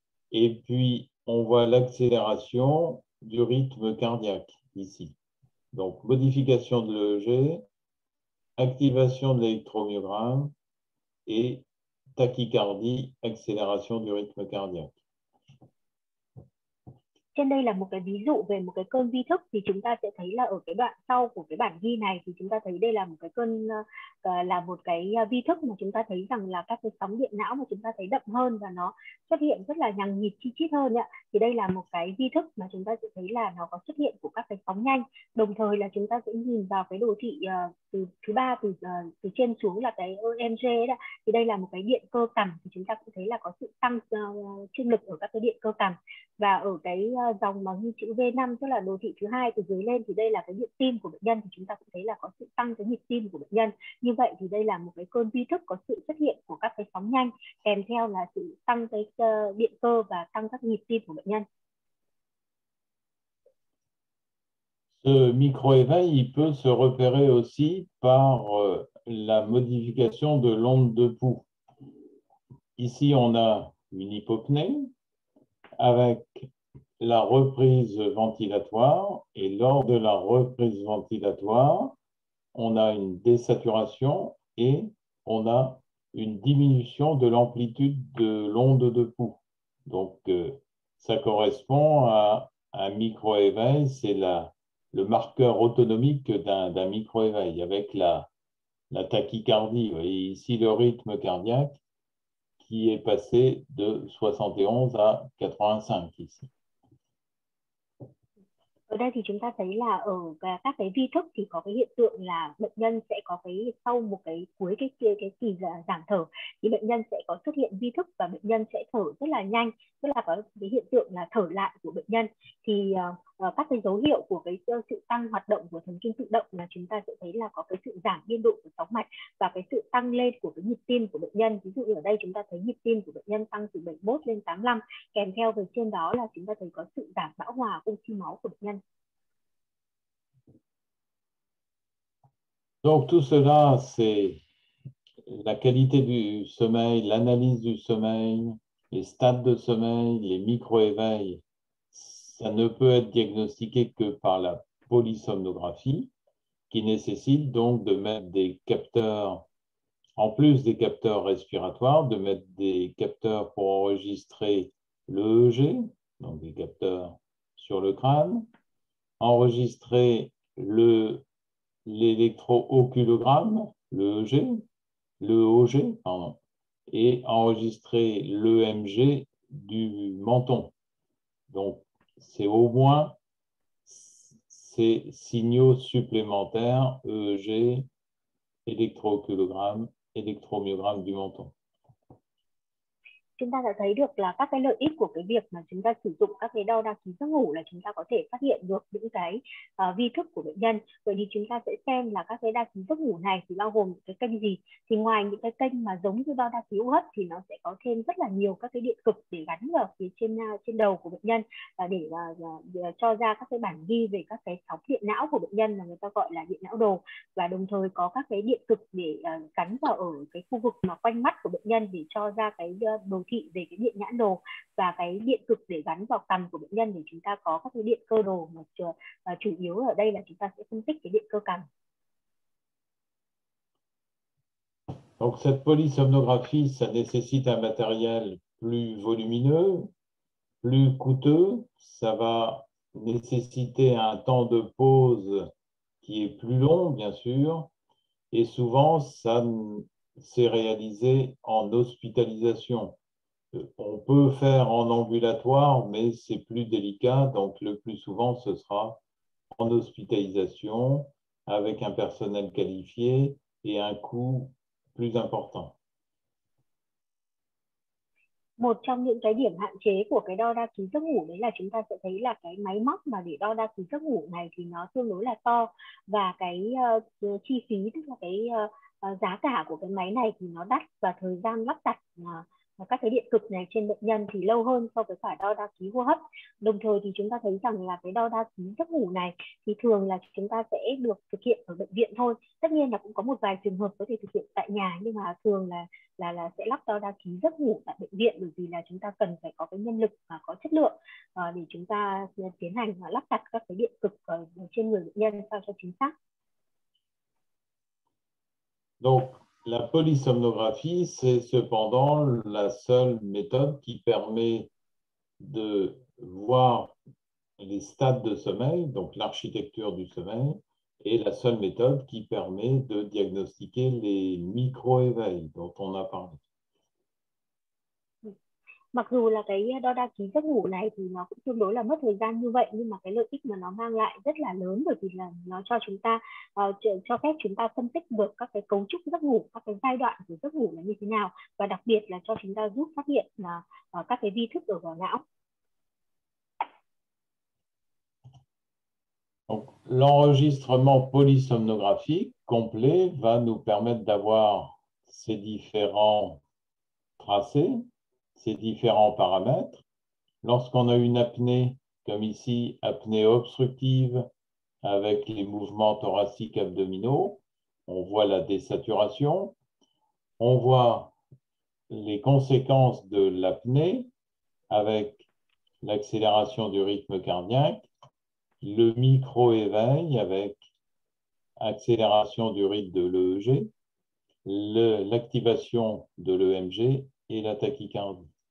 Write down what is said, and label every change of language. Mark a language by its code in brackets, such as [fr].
[fr] Et puis, on voit l'accélération du rythme cardiaque ici. Donc, modification de l'EEG. Activation de l'électromyogramme et tachycardie, accélération du rythme cardiaque. [vi] Trên đây là một cái ví dụ về một cái cơn vi thức thì chúng ta sẽ thấy là ở cái đoạn sau của cái bản ghi này thì chúng ta thấy đây là một cái cơn là một cái vi thức mà chúng ta thấy rằng là các cái sóng điện não mà chúng ta thấy đậm hơn và nó xuất hiện rất là nhằng nhịt chi chít hơn ạ. Thì đây là một cái vi thức mà chúng ta sẽ thấy là nó có xuất hiện của các cái sóng nhanh. Đồng thời là chúng ta sẽ nhìn vào cái đồ thị từ thứ ba từ trên xuống là cái EMG đấy ạ. Thì đây là một cái điện cơ cằm thì chúng ta cũng thấy là có sự tăng trương lực ở các cái điện cơ cằm. Và ở cái dòng mà ghi chữ V5 tức là đồ thị thứ hai từ dưới lên thì đây là cái nhịp tim của bệnh nhân, thì chúng ta cũng thấy là có sự tăng cái nhịp tim của bệnh nhân. Như vậy thì đây là một cái cơn vi thức có sự xuất hiện của các cái sóng nhanh kèm theo là sự tăng cái điện cơ và tăng các nhịp tim của bệnh nhân. [fr] Ce micro éveil il peut se repérer aussi par la modification de l'onde de pouls. Ici on a une hypopnée avec la reprise ventilatoire, et lors de la reprise ventilatoire, on a une désaturation et on a une diminution de l'amplitude de l'onde de pouls. Donc, ça correspond à un micro-éveil, c'est le marqueur autonomique d'un micro-éveil avec la tachycardie. Vous voyez ici le rythme cardiaque qui est passé de 71 à 85 ici. [vi] Ở đây thì chúng ta thấy là ở các cái vi thức thì có cái hiện tượng là bệnh nhân sẽ có cái sau một cái cuối cái kỳ giảm thở thì bệnh nhân sẽ có xuất hiện vi thức và bệnh nhân sẽ thở rất là nhanh, tức là có cái hiện tượng là thở lại của bệnh nhân. Thì các cái dấu hiệu của cái sự tăng hoạt động của thần kinh tự động là chúng ta sẽ thấy là có cái sự giảm biên độ của sóng mạch và cái sự tăng lên của cái nhịp tim của bệnh nhân. Ví dụ ở đây chúng ta thấy nhịp tim của bệnh nhân tăng từ 71 lên 85, kèm theo về trên đó là chúng ta thấy có sự giảm bão hòa oxy máu của bệnh nhân. [fr] Donc tout cela c'est la qualité du sommeil, l'analyse du sommeil, les stades de sommeil, les micro-éveils. Ça ne peut être diagnostiqué que par la polysomnographie, qui nécessite donc de mettre des capteurs, en plus des capteurs respiratoires, de mettre des capteurs pour enregistrer l'EEG, donc des capteurs sur le crâne, enregistrer l'électrooculogramme, l'EEG, l'EOG, pardon, et enregistrer l'EMG du menton. Donc, c'est au moins ces signaux supplémentaires, EEG, électrooculogramme, électromyogramme du menton. [vi] Chúng ta đã thấy được là các cái lợi ích của cái việc mà chúng ta sử dụng các cái đo đa ký giấc ngủ là chúng ta có thể phát hiện được những cái vi thức của bệnh nhân. Vậy thì chúng ta sẽ xem là các cái đa ký giấc ngủ này thì bao gồm cái kênh gì. Thì ngoài những cái kênh mà giống như đo đa ký hô hấp thì nó sẽ có thêm rất là nhiều các cái điện cực để gắn vào phía trên trên đầu của bệnh nhân để cho ra các cái bản ghi về các cái sóng điện não của bệnh nhân mà người ta gọi là điện não đồ, và đồng thời có các cái điện cực để gắn vào ở cái khu vực mà quanh mắt của bệnh nhân để cho ra cái đồ thị về cái điện nhãn đồ, và cái điện cực để gắn vào cằm của bệnh nhân để chúng ta có các cái điện cơ đồ, mà chủ yếu ở đây là chúng ta sẽ phân tích cái điện cơ cằm. [fr] Donc cette polysomnographie ça nécessite un matériel plus volumineux, plus coûteux. Ça va nécessiter un temps de pause qui est plus long, bien sûr. Et souvent, ça s'est réalisé en hospitalisation. On peut faire en ambulatoire, mais c'est plus délicat. Donc, le plus souvent, ce sera en hospitalisation avec un personnel qualifié et un coût plus important. [vi] Một trong những cái điểm hạn chế của cái đo đa ký giấc ngủ đấy là chúng ta sẽ thấy là cái máy móc mà để đo đa ký giấc ngủ này thì nó tương đối là to, và cái chi phí, tức là cái giá cả của cái máy này thì nó đắt, và thời gian lắp đặt các cái điện cực này trên bệnh nhân thì lâu hơn so với cả đo đa ký hô hấp. Đồng thời thì chúng ta thấy rằng là cái đo đa ký giấc ngủ này thì thường là chúng ta sẽ được thực hiện ở bệnh viện thôi. Tất nhiên là cũng có một vài trường hợp có thể thực hiện tại nhà, nhưng mà thường là sẽ lắp đo đa ký giấc ngủ tại bệnh viện, bởi vì là chúng ta cần phải có cái nhân lực và có chất lượng để chúng ta tiến hành và lắp đặt các cái điện cực ở trên người bệnh nhân sao cho chính xác. [fr] Donc la polysomnographie, c'est cependant la seule méthode qui permet de voir les stades de sommeil, donc l'architecture du sommeil, et la seule méthode qui permet de diagnostiquer les micro-éveils dont on a parlé. [vi] Mặc dù là cái đo đa ký giấc ngủ này thì nó cũng tương đối là mất thời gian như vậy, nhưng mà cái lợi ích mà nó mang lại rất là lớn, bởi vì là nó cho chúng ta cho phép chúng ta phân tích được các cái cấu trúc giấc ngủ, các cái giai đoạn của giấc ngủ là như thế nào, và đặc biệt là cho chúng ta giúp phát hiện là các cái vi thức ở vỏ não. [fr] Donc, l'enregistrement polysomnographique complet va nous permettre d'avoir ces différents tracés, ces différents paramètres. Lorsqu'on a une apnée, comme ici, apnée obstructive avec les mouvements thoraciques abdominaux, on voit la désaturation, on voit les conséquences de l'apnée avec l'accélération du rythme cardiaque, le micro-éveil avec accélération du rythme de l'EEG, l'activation de l'EMG et la tachycardie.